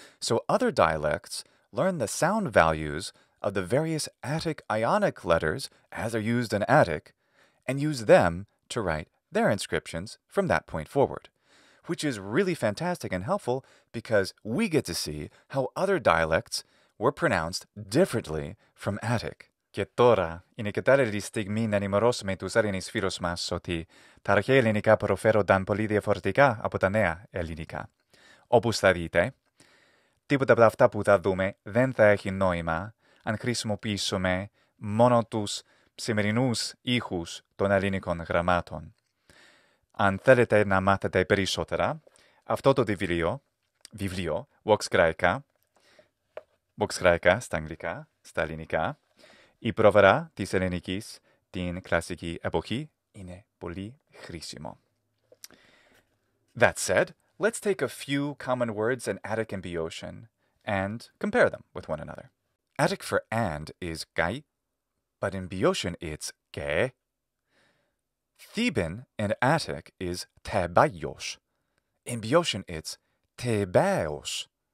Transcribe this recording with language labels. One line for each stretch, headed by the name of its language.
English: So other dialects learn the sound values of the various Attic-Ionic letters as they're used in Attic and use them to write their inscriptions from that point forward. Which is really fantastic and helpful because we get to see how other dialects were pronounced differently from Attic.
Greek: Και τώρα είναι κατάλληλη στιγμή να ενημερώσουμε τους Έλληνες φίλους μας ότι τα αρχαία ελληνικά προφέρονταν πολύ διαφορετικά από τα νέα ελληνικά. Όπως θα δείτε, τίποτα από αυτά που θα δούμε δεν θα έχει νόημα αν χρησιμοποιήσουμε μόνο τους σημερινούς ήχους των ελληνικών γραμμάτων. Αν θέλετε να μάθετε περισσότερα, αυτό το βιβλίο, Vox Graeca, στα αγγλικά, στα ελληνικά, η προβερά της ελληνικής, την κλασική εποχή, είναι πολύ χρήσιμο.
English: That said, let's take a few common words in Attic and Boeotian and compare them with one another. Attic for and is kai, but in Boeotian it's ke. Theban in Attic is Thebaios. In Boeotian, it's Thebaios.